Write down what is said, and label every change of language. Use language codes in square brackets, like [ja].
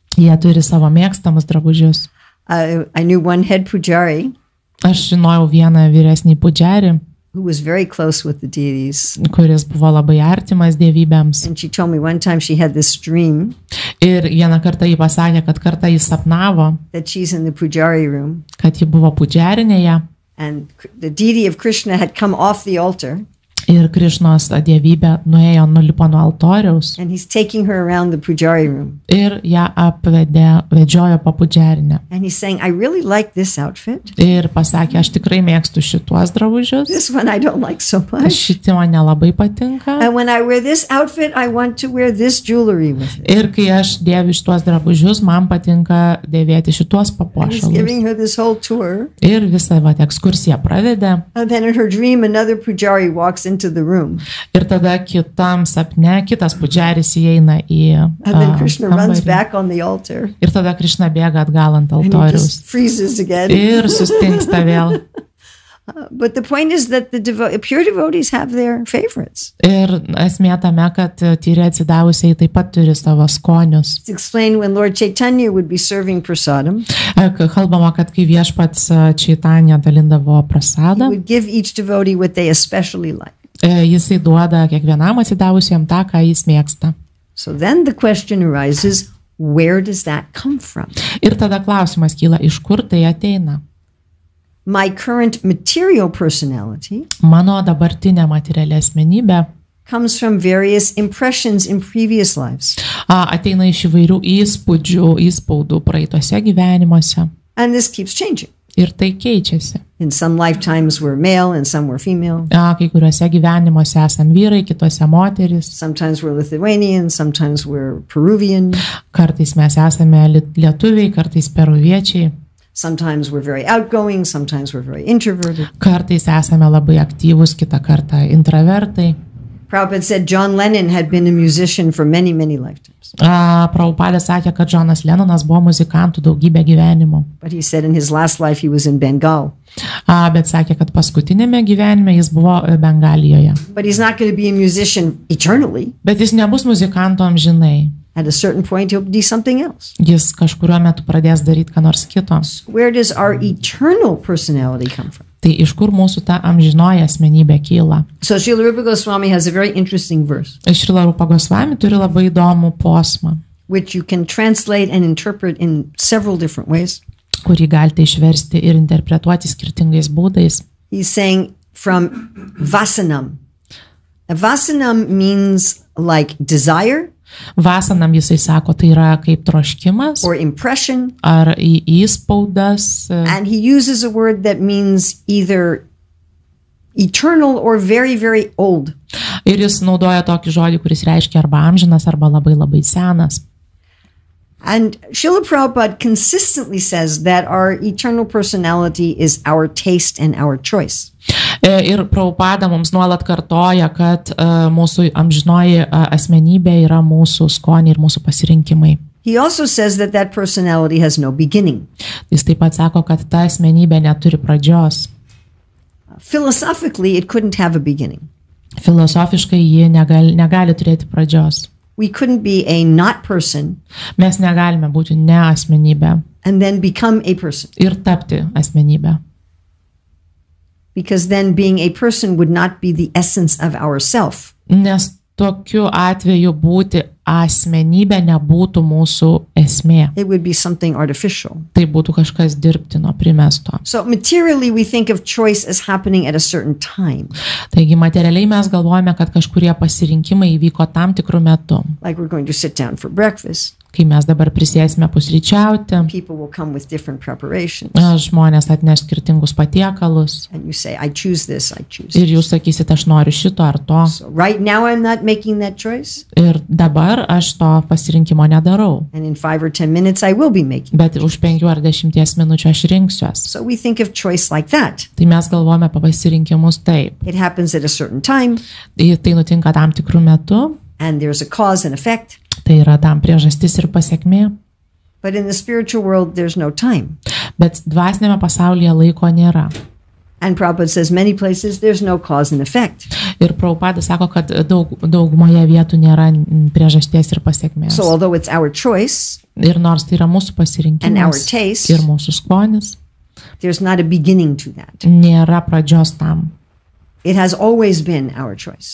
[lt] Jie turi savo mėgstamus drabužius. [en] I knew one head pujari. [lt] Aš žinojau vieną vyresnį pujari. [en] Who was very close with the deities. [lt] Kuris buvo labai artimas dievybėms. [en] And she told me one time she had this dream. [lt] Ir vieną kartą jį pasakė, kad kartą jį sapnavo. [en] That she's in the pujari room. [lt] Kad ji buvo pujarinėje. [en] And the deity of Krishna had come off the altar. [lt] Ir Krishnos dievybė nuėjo nulipo nuo altoriaus. [en] And he's taking her around the pujari room. [lt] Ir ją apvedė, vedžiojo po pujarinę. [en] And he's saying, I really like this outfit. [lt] Ir pasakė, aš tikrai mėgstu šituos drabužius. [en] This one I don't like so much. [lt] Šitį man nelabai patinka. [en] And when I wear this outfit, I want to wear this jewelry with it. [lt] Ir kai aš dėviu šituos drabužius, man patinka dėvėti šituos papuošalus. [en] And he's giving her this whole tour. [lt] Ir visą ekskursiją pravedė. [en] And then in her dream, another pujari walks into the room. [lt] Ir tada kitam sapne kitas pujaris įeina į kambarį. Ir tada Krishna bėga atgal ant altoriaus. [en] And he freezes again. [lt] Ir sustingsta vėl. [en] But the point is that the pure devotees have their favorites. [lt] Ir esmė tame, kad tyri atsidavusiai taip pat turi savo skonius. [en] It's explained when Lord Chaitanya would be serving prasadam. [lt] Kalbama, kad kai viešpats Chaitanya dalindavo prasadą. [en] He would give each devotee what they especially like. [lt] Jisai duoda kiekvienam atsidavusiam tą, ką jis mėgsta. [en] So then the question arises, where does that come from? [lt] Ir tada klausimas kyla, iš kur tai ateina? [en] My current material personality. [lt] Mano dabartinė materialė asmenybė. [en] Comes from various impressions in previous lives. [lt] Ateina iš įvairių įspūdžių, įspaudų praeituose gyvenimuose. [en] And this keeps changing. [lt] Ir tai keičiasi. [en] In some lifetimes we're male and some we're female. [lt] Kai kuriuose gyvenimuose esam vyrai, kituose moterys. [en] Sometimes we're Lithuanian, sometimes we're Peruvian. [lt] Kartais mes esame lietuviai, kartais peruviečiai. [en] Sometimes we're very outgoing, sometimes we're very introverted. [lt] Kartais esame labai aktyvus, kitą kartą introvertai. [en] Prabhupada said John Lennon had been a musician for many, many lifetimes. [lt] Prabhupada sakė, kad Jonas Lennonas buvo muzikantų daugybę gyvenimų. [en] But he said in his last life he was in Bengal. [lt] Bet sakė, kad paskutinėme gyvenime jis buvo Bengalijoje. [en] But he's not going to be a musician eternally. [lt] Bet jis nebus muzikantu amžinai. [en] At a certain point he'll do something else. [lt] Jis kažkuriuo metu pradės daryti ką nors kito. [en] Where does our eternal personality come from? [lt] Tai iš kur mūsų ta amžinoji asmenybė kyla? [en] So Srila Rupa Goswami has a very interesting verse. [lt] Srila Rupa Goswami turi labai įdomų posmą. [en] Which you can translate and interpret in several different ways. [lt] kurį galite išversti ir interpretuoti skirtingais būdais. [en] He's saying from vasanam. Vasanam means like desire. [lt] Vasanam, jisai sako, tai yra kaip troškimas. [en] Or impression. [lt] Ar įspaudas. [en] And he uses a word that means either eternal or very, very old. [lt] Ir jis naudoja tokį žodį, kuris reiškia arba amžinas, arba labai, labai senas. [en] And Srila Prabhupada consistently says that our eternal personality is our taste and our choice. [lt] Ir Prabhupada mums nuolat kartoja, kad mūsų amžinoji asmenybė yra mūsų skoniai ir mūsų pasirinkimai. [en] He also says that that personality has no beginning. [lt] Jis taip pat sako, kad ta asmenybė neturi pradžios. [en] Philosophically, it couldn't have a beginning. [lt] Filosofiškai ji negali turėti pradžios. [en] We couldn't be a not person. [lt] Mes negalime būti ne asmenybė. [en] And then become a person. [lt] Ir tapti asmenybė. [en] Because then being a person would not be the essence of ourself. [lt] Nes tokiu atveju būti asmenybė nebūtų mūsų esmė. [en] It would be something artificial. [lt] Tai būtų kažkas dirbtino, primesto. [en] So materially we think of choice as happening at a certain time. [lt] Taigi materialiai mes galvojame, kad kažkurie pasirinkimai įvyko tam tikru metu. [en] Like we're going to sit down for breakfast. [lt] Kai mes dabar prisėsime pusryčiauti, [en] people will come with different preparations. [lt] Žmonės atneš skirtingus patiekalus. [en] And you say, I choose this, I choose [lt] ir jūs sakysite, aš noriu šito ar to. [en] So right now I'm not making that choice. [lt] Ir dabar aš to pasirinkimo nedarau. [en] And in 5 or 10 minutes I will be making. [lt] Bet už 5 ar 10 minučių aš rinksiuos. [en] So we think of choice like that. [lt] Tai mes galvojame apie pasirinkimus taip. [en] It happens at a certain time. [lt] Tai nutinka tam tikru metu. [en] And there's a cause and effect. [lt] Tai yra tam priežastis ir pasekmė. [en] But in the spiritual world there's no time. [lt] Bet dvasiniame pasaulyje laiko nėra. [en] And Prabhupada says many places there's no cause and effect. [lt] Ir Prabhupada sako, kad daugumoje vietų nėra priežasties ir pasekmės. [en] So although it's our choice, [lt] ir nors tai yra mūsų pasirinkimas, [en] and our taste, [lt] ir mūsų skonis, [en] there's not a beginning to that. [lt] Nėra pradžios tam. [en] It has always been our choice.